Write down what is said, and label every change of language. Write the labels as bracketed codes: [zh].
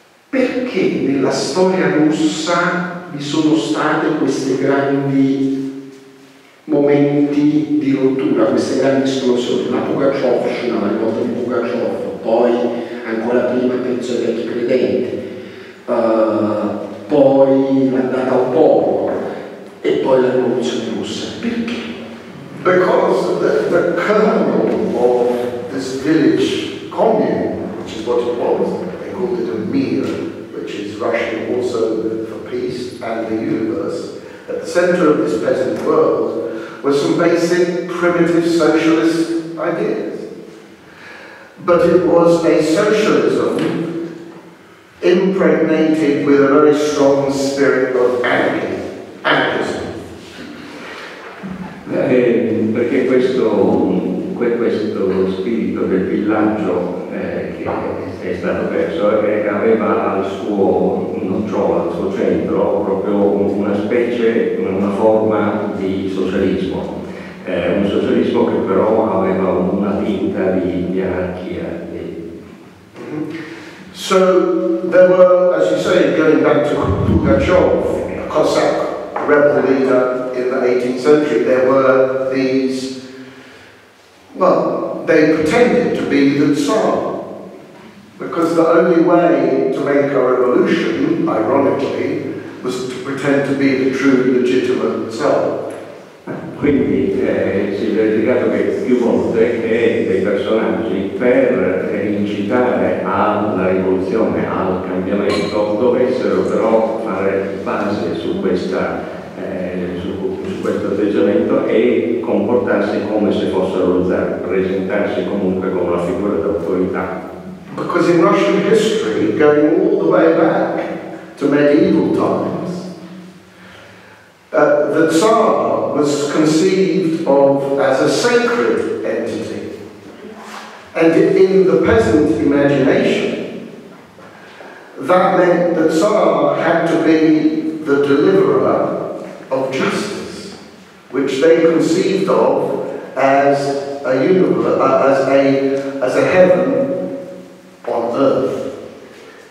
[it] Perché nella storia russa vi sono state queste grandi momenti di rottura, queste grandi esplosioni? La Pugacev, la rivolta di Pugacev, poi ancora prima penso ai vecchi credenti, poi l'andata al popolo e poi la rivoluzione russa. Perché? [en] Because the kernel of this village commune, which is what it was, they called it a mir, which is Russian also for peace and the universe, at the center of this peasant world were some basic primitive socialist ideas. But it was a socialism impregnated with a very strong spirit of anarchism. [it] Perché questo spirito del villaggio che è stato perso, e aveva al suo nocciolo, al suo centro, proprio una specie, una forma di socialismo. Un socialismo che però aveva una tinta di anarchia. [en] So there were, as you say, going back to Pugachev, a Cossack rebel leader in the 18th century, there were these, well, they pretended to be the Tsar, because the only way to make a revolution, ironically, was to pretend to be the true legitimate Tsar. [it] Quindi si è verificato che più volte che dei personaggi per incitare alla rivoluzione, al cambiamento, dovessero però fare base su, questa, su questo atteggiamento e comportarsi come se fossero zar, presentarsi comunque come la figura d'autorità. [en] Because in Russian history, going all the way back to medieval times, the Tsar was conceived of as a sacred entity. And in the peasant imagination, that meant the Tsar had to be the deliverer of justice, which they conceived of as a universe, as a heaven on earth.